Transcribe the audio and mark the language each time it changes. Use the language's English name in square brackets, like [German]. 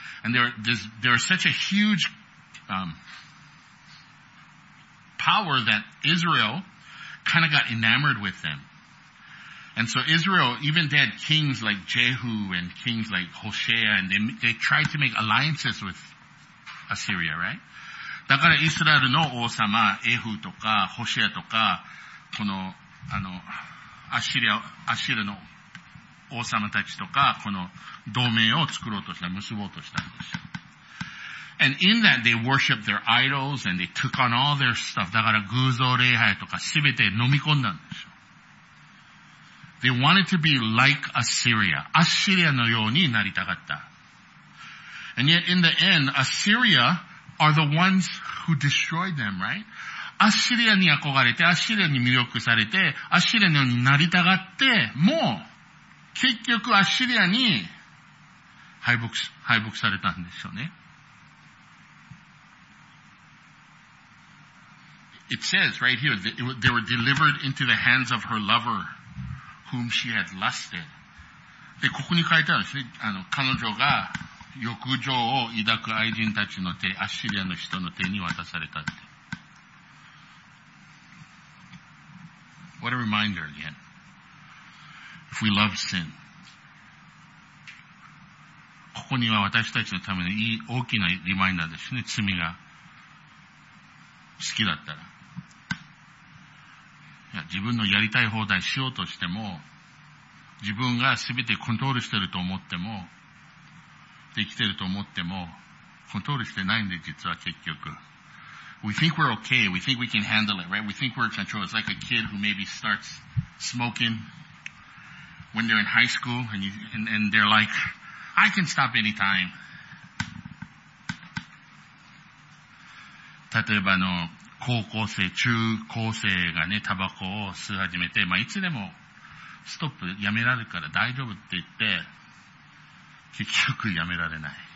[English] And there's such a huge, power that Israel kind of got enamored with them. And so Israel, even they had kings like Jehu and kings like Hoshea, and they tried to make alliances with Assyria, right? [Japanese] だからイスラエルの王様、エフとか、ホシアとか、この、アッシリアの王様たちとか、この同盟を作ろうとした、結ぼうとしたんです。 [English] And in that, they worshiped their idols and they took on all their stuff. [Japanese] だから偶像礼拝とか、すべて飲み込んだんですよ。 [English] They wanted to be like Assyria. [Japanese] アッシリアのようになりたかった。 [English] And yet, in the end, Assyria,are the ones who destroyed them, right? [Japanese] アッシリアに憧れて、アッシリアに魅力されて、アッシリアのようになりたがって、もう、結局アッシリアに敗北されたんでしょうね。 [English] It says right here, they were delivered into the hands of her lover, whom she had lusted. [Japanese] で、ここに書いてあるんですね。彼女が、欲情を抱く愛人たちの手、アッシリアの人の手に渡されたって。 [English] What a reminder again. If we love sin. [Japanese] ここには私たちのためのいい大きなリマインダーですね。罪が好きだったら。いや、自分のやりたい放題しようとしても、自分が全てコントロールしてると思っても、生きてると思っても、コントロールしてないんで、実は結局。 [English] We think we're okay. We think we can handle it, right? We think we're in control. It's like a kid who maybe starts smoking when they're in high school and they're like, I can stop anytime. [Japanese] 例えばの、高校生、中高生がね、タバコを吸い始めて、まあ、いつでもストップ、やめられるから大丈夫って言って、結局やめられない。